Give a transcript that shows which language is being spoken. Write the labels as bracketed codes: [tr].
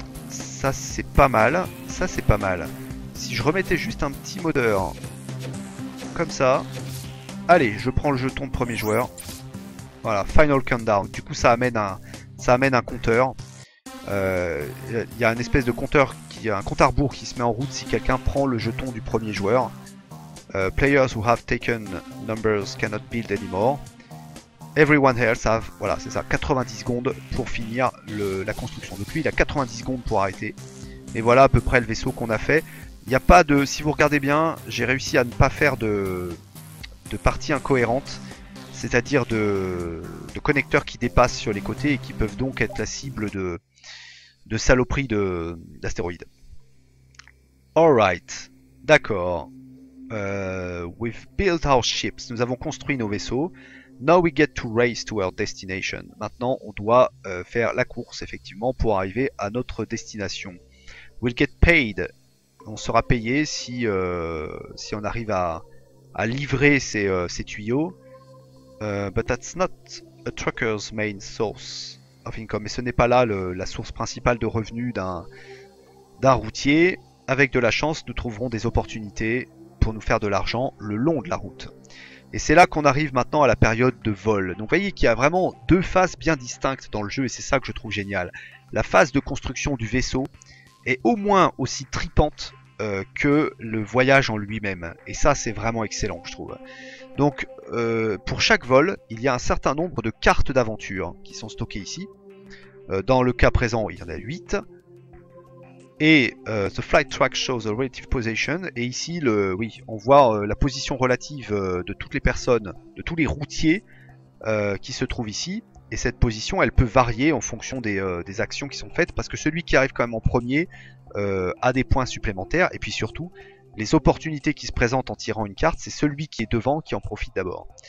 [fr] Ça c'est pas mal, ça c'est pas mal. Si je remettais juste un petit modeur comme ça. Allez, je prends le jeton de premier joueur. Voilà, [en] final countdown. [fr] Du coup ça amène un compteur. Il y a une espèce de compteur qui a un compte à rebours qui se met en route si quelqu'un prend le jeton du premier joueur. [en] Players who have taken numbers cannot build anymore. Everyone else have, [fr] voilà, c'est ça, 90 secondes pour finir la construction. Donc lui, il a 90 secondes pour arrêter. Et voilà à peu près le vaisseau qu'on a fait. Il n'y a pas de, si vous regardez bien, j'ai réussi à ne pas faire de partie incohérente, c'est-à-dire de connecteurs qui dépassent sur les côtés et qui peuvent donc être la cible de saloperies d'astéroïdes. [en] Alright, [fr] d'accord. [en] We've built our ships, [fr] nous avons construit nos vaisseaux. [en] Now we get to race to our destination. [fr] Maintenant, on doit faire la course, effectivement, pour arriver à notre destination. [en] We'll get paid. [fr] On sera payé si on arrive à livrer ces tuyaux. [en] But that's not a trucker's main source of income. [fr] Mais ce n'est pas là la source principale de revenus d'un routier. Avec de la chance, nous trouverons des opportunités pour nous faire de l'argent le long de la route. Et c'est là qu'on arrive maintenant à la période de vol. Donc vous voyez qu'il y a vraiment deux phases bien distinctes dans le jeu, et c'est ça que je trouve génial. La phase de construction du vaisseau est au moins aussi tripante que le voyage en lui-même. Et ça, c'est vraiment excellent, je trouve. Donc, pour chaque vol, il y a un certain nombre de cartes d'aventure qui sont stockées ici. Dans le cas présent, il y en a 8. [en] Et the flight track shows the relative position. [fr] Et ici, oui, on voit la position relative de toutes les personnes, de tous les routiers qui se trouvent ici. Et cette position, elle peut varier en fonction des actions qui sont faites, parce que celui qui arrive quand même en premier a des points supplémentaires. Et puis surtout, les opportunités qui se présentent en tirant une carte, c'est celui qui est devant qui en profite d'abord.